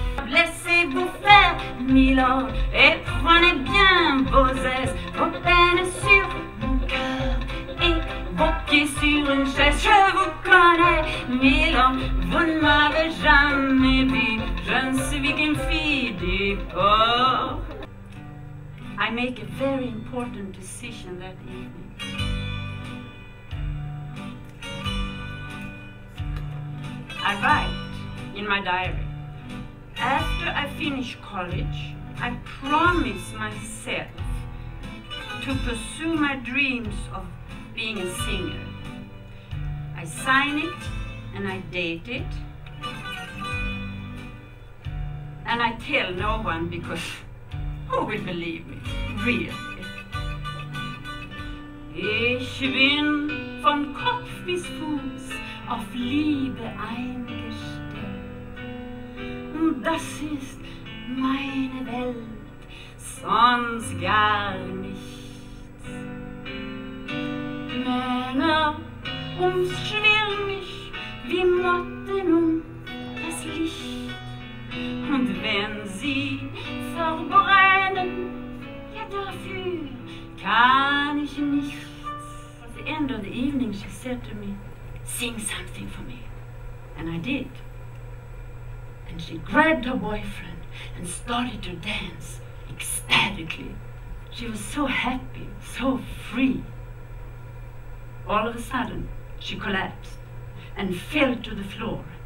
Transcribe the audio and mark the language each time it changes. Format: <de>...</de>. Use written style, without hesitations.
<fr>Laissez-vous faire, Milord, et prenez bien vos aises, vos peines sur mon cœur et vos pieds sur une chaise. Je vous connais, Milord, vous ne m'avez jamais vu, je ne suis qu'une fille du port.</fr> <en>I make a very important decision that evening. I write in my diary, after I finish college, I promise myself to pursue my dreams of being a singer. I sign it and I date it. And I tell no one because who will believe me, really?</en> <de>Ich bin von Kopf bis Fuß auf Liebe eingestellt. Das ist meine Welt, sonst gar nichts. Männer umschwirren mich wie Motten um das Licht. Und wenn sie verbrennen, ja dafür kann ich nichts.</de> <en>At the end of the evening she said to me, sing something for me. And I did. And she grabbed her boyfriend and started to dance ecstatically. She was so happy, so free. All of a sudden, she collapsed and fell to the floor.</en>